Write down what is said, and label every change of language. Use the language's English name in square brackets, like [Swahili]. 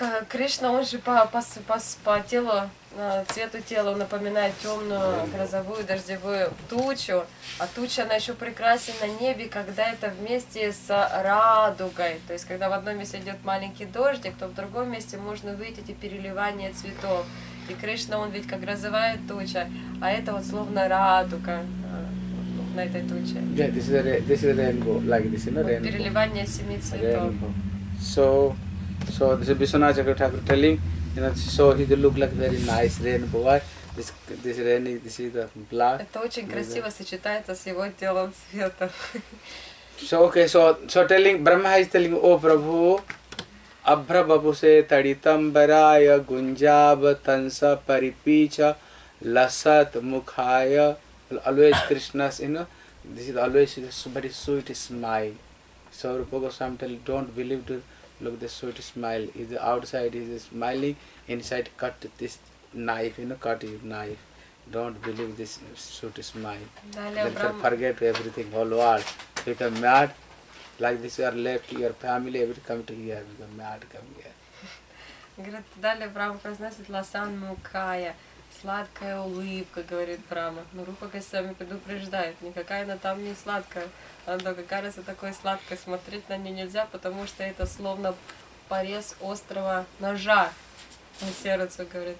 [Russian] Кришна, он же по телу, цвету тела, он напоминает темную грозовую дождевую тучу, а туча, она еще прекрасна на небе, когда это вместе с радугой, то есть когда в одном месте идет маленький дождик, то в другом месте можно увидеть эти переливания цветов, и Кришна, он ведь как грозовая туча, а это вот словно радуга на этой туче. [English] Yeah, this is a rainbow, like this, you know, rainbow. [Russian] Переливание семи цветов. [English] So this is Viswanatha Chakra Thakur telling, you know, so he look like very nice rainbow. Why? this rainy, this is the black. [Russian] Это очень красиво сочетается с его телом света. [English] So okay, so telling Brahma is telling, oh Prabhu, [Sanskrit] Abhra Babuse Taditambaraya Gunjab Tansa Paripicha Lasat Mukhaya. [English] Always Krishna's, you know, this is always a very sweet smile. So Rupa Goswami tells, don't believe to look the sweet smile. Is the outside is smiling, inside cut this knife, you know, cut your knife. Don't believe this sweet smile. Forget everything, whole world. Become mad, like this you are left, your family, everything come to here, become mad, come here. [Russian] Говорит, далее Брама произносит ласан мукая, сладкая улыбка, говорит Брама. Но Рупа Госвами предупреждает, никакая она там не сладкая. Она только кажется такой сладкой, смотреть на нее нельзя, потому что это словно порез острого ножа на сердце, говорит.